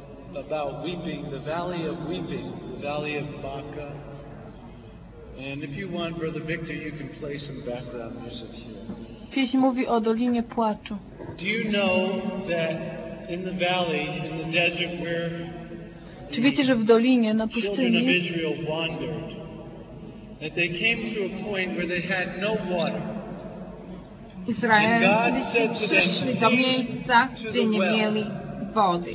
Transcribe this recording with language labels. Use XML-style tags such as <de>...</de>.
<en>About weeping, the valley of weeping, the valley of Baca. And if you want, Brother Victor, you can play some background music here.</en> <pl>Pieśń mówi o dolinie płaczu.</pl> <en>Do you know that in the valley, in the desert where</en> <pl>czy wiecie, że w dolinie, na pustyni,</pl> <en>children of Israel wandered, that they came to a point where they had no water.</en> <pl>Izraelici przyszli do miejsca, gdzie nie mieli wody.</pl>